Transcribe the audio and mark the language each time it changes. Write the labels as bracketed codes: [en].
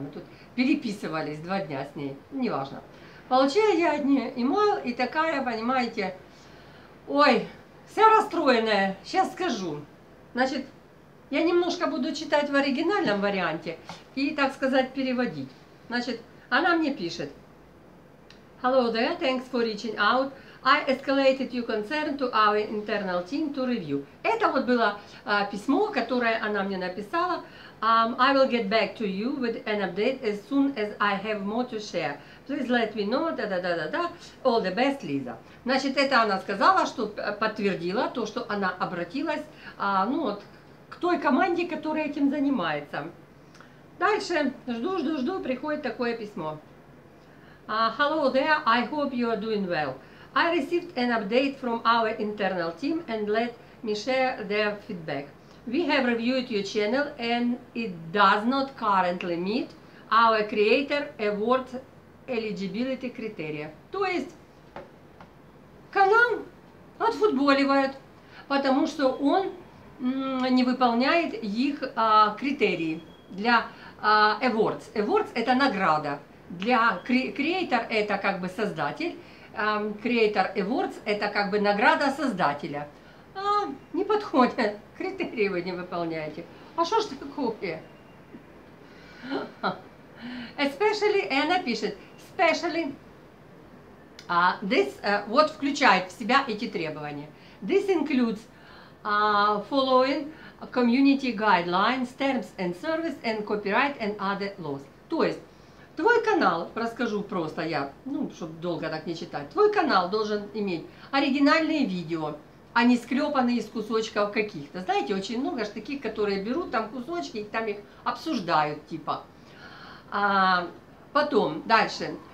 [ru] Мы тут переписывались два дня с ней, неважно. Получаю я одни email, и такая, понимаете, ой, вся расстроенная, сейчас скажу. Значит, я немножко буду читать в оригинальном варианте и, так сказать, переводить. Значит, она мне пишет. [en] Hello there, thanks for reaching out. I escalated your concern to our internal team to review. [ru] Это вот было письмо, которое она мне написала. [en] I will get back to you with an update as soon as I have more to share. Please let me know, [ru] да-да-да-да-да. [en] All the best, Lisa. [ru] Значит, это она сказала, что подтвердила то, что она обратилась, ну вот, к той команде, которая этим занимается. Дальше, жду-жду-жду, приходит такое письмо. [en] Hello there, I hope you are doing well. I received an update from our internal team and let me share their feedback. We have reviewed your channel and it does not currently meet our creator award eligibility criteria. [ru] То есть, канал отфутболивает, потому что он не выполняет их критерии для awards. Awards – это награда. Для creator – это как бы создатель. Creator awards – это как бы награда создателя. А, не подходит. Критерии вы не выполняете. А что ж такое? [en] Especially, [ru] она пишет, [en] especially, this, [ru] вот включает в себя эти требования. This includes following community guidelines, terms and service, and copyright and other laws. То есть, твой канал, расскажу просто я, ну, чтобы долго так не читать, твой канал должен иметь оригинальные видео, а не склепанные из кусочков каких-то. Знаете, очень много же таких, которые берут там кусочки и там их обсуждают, типа. Потом, дальше.